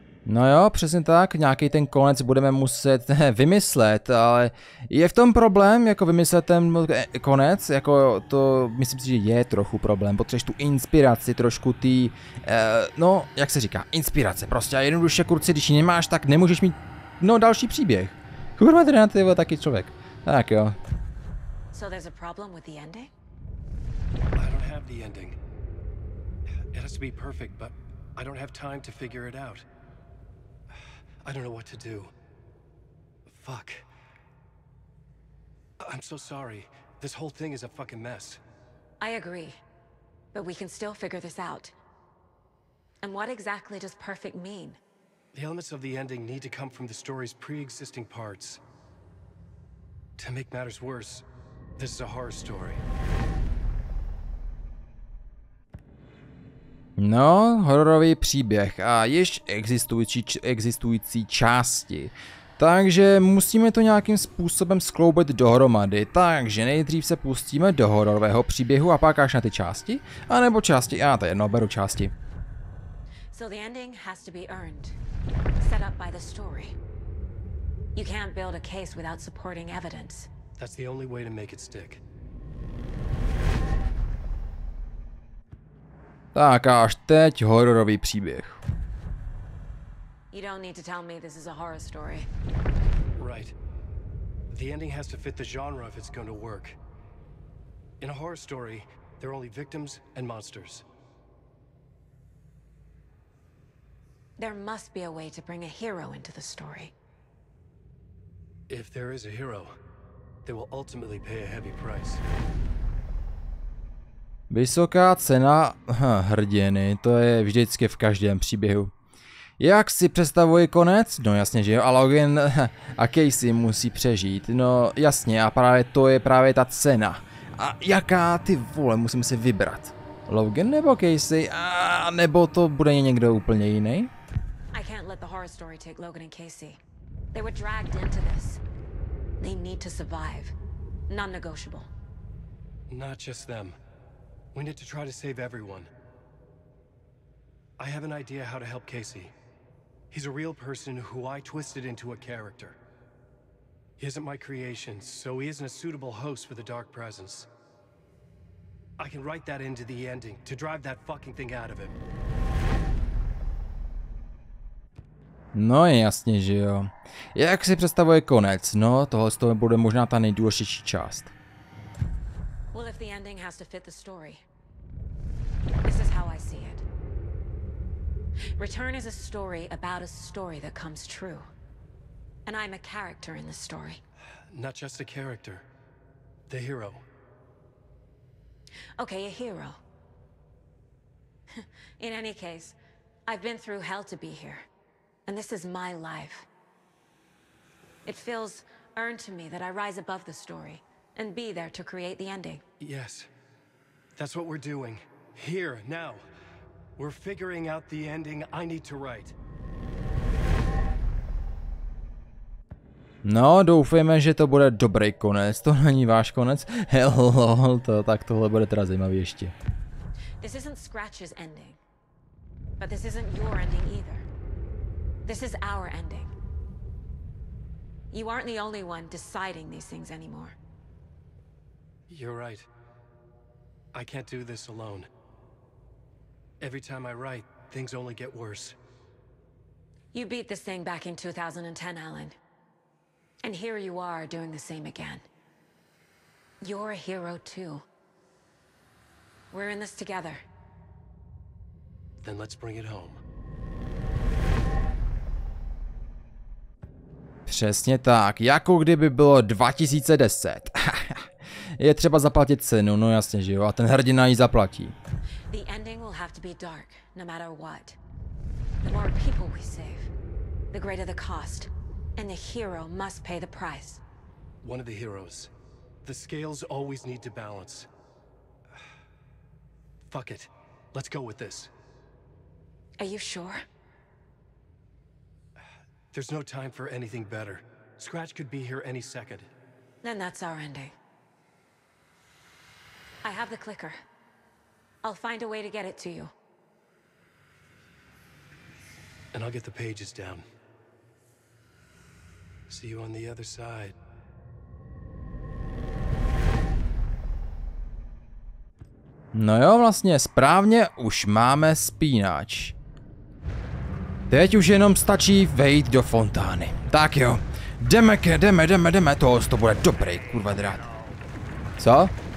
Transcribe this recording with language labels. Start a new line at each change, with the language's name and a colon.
Czech: No jo, přesně tak, nějaký ten konec budeme muset vymyslet, ale je v tom problém, jako vymyslet ten konec, jako to myslím si, že je trochu problém, potřebuješ tu inspiraci, trošku ty, no, jak se říká, inspirace, prostě a jednoduše kurci, když ji nemáš, tak nemůžeš mít, no, další příběh. Kurva, tady na to byl taky člověk, tak jo.
English: So there's a problem with the ending? I don't have the ending. It has to be perfect, but I don't have time to figure it out. I don't know what to do. Fuck. I'm so sorry. This whole thing is a fucking mess. I agree. But we can still figure this out. And what exactly does perfect mean? The elements of the ending need to come from the story's pre-existing parts. To make matters worse, this is a horror story.
Czech: No, hororový příběh a již existující části. Takže musíme to nějakým způsobem skloubit dohromady. Takže nejdřív se pustíme do hororového příběhu a pak až na ty části. A nebo části, já to jedno, beru části.
English: So the ending has to be earned, set up by the story. You can't build a case without supporting evidence. That's the only way to make it stick.
Czech: Tak a až teď hororový příběh.
English: You don't need to tell me this is a horror story. Right. The ending has to fit the genre if it's going to work. In a horror story, there are only victims and monsters. There must be a way to bring a hero into the story. If there is a hero, they will ultimately pay a heavy price.
Czech: Vysoká cena hrdiny, to je vždycky v každém příběhu. Jak si představuji konec? No jasně, že jo, a Logan a Casey musí přežít. No jasně, a právě to je právě ta cena. A jaká, ty vole, musím si vybrat? Logan nebo Casey? A nebo to bude někdo úplně jiný?
English: I can't let the horror story take Logan and Casey. They were dragged into this. They need to survive. Non-negotiable. Not just them. We need to try to save everyone. I have an idea how to help Casey. He's a real person who I twisted into a character. He isn't my creation, so he isn't a suitable host for the Dark Presence. I can write that into the ending to drive that fucking thing out of him.
Czech: No jasně, že jo. Jak si představuje konec? No, tohle z toho bude možná ta nejdůležitější část.
English: Well, if the ending has to fit the story. This is how I see it. Return is a story about a story that comes true. And I'm a character in the story. Not just a character. The hero. Okay, a hero. In any case, I've been through hell to be here. And this is my life. It feels earned to me that I rise above the story and be there to create the ending. Yes. That's what we're doing. Here, now, we're figuring out the ending I need to write.
Czech: No, doufejme, že to bude dobrý konec. To není váš konec. Hello, to tak tohle bude teda zajímavý ještě.
English: This isn't Scratch's ending. But this isn't your ending either. This is our ending. You aren't the only one deciding these things anymore. You're right. I can't do this alone. Every time I write, things only get worse. You beat this thing back in 2010, Alan. And here you are doing the same again. You're a hero too. We're in this together. Then let's bring it home.
Czech: Přesně tak, jako kdyby bylo 2010. Je třeba zaplatit cenu, no jasně, že jo, a ten hrdina ji zaplatí.
English: The ending will have to be dark, no matter what. The more people we save, the greater the cost, and the hero must pay the price. One of the heroes. The scales always need to balance. Fuck it. Let's go with this. Are you sure? There's no time for anything better. Scratch could be here any second. Then that's our ending. I have the clicker. I'll find a way to get it to you. And I'll get the pages down. See you on the other side.
Czech: No jo, vlastně správně, už máme spínač. Teď už jenom stačí vejít do fontány. Tak jo, jdeme, tohle to bude dobrý, kurva drát. Co?